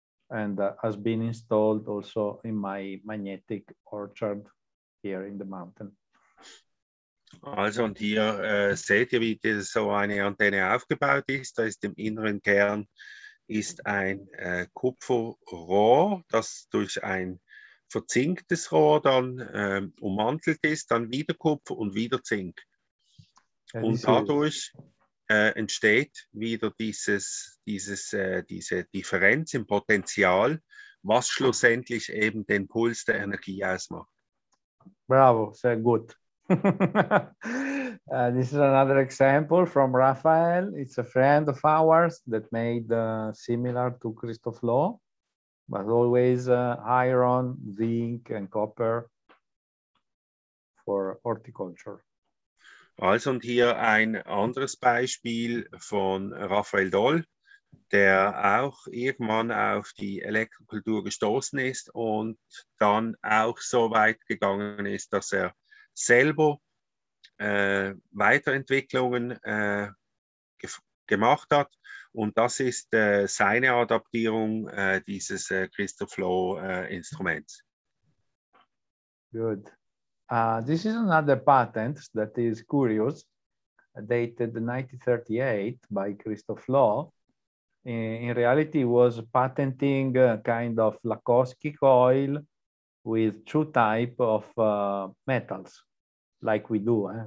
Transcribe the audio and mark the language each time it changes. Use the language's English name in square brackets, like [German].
[English] And has been installed also in my magnetic orchard here in the mountain. [German] Also, und hier seht ihr, wie so eine Antenne aufgebaut ist. Da ist im inneren Kern ist ein Kupferrohr, das durch ein verzinktes Rohr dann ummantelt ist, dann wieder Kupfer und wieder Zink. Und dadurch entsteht wieder diese Differenz im Potenzial, was schlussendlich eben den Puls der Energie ausmacht. Bravo, sehr gut. [English] this is another example from Raphael. It's a friend of ours that made similar to Christoph Loh, but always iron, zinc and copper for horticulture. [German] Also und hier ein anderes Beispiel von Raphael Doll, der auch irgendwann auf die Elektrokultur gestoßen ist und dann auch so weit gegangen ist, dass er selber Weiterentwicklungen gemacht hat. Und das ist seine Adaptierung dieses Crystal Flow Instruments. [English] Good. This is another patent that is curious, dated 1938 by Christoph Law. In reality, was patenting a kind of Lakowski coil with two type of metals, like we do. Eh?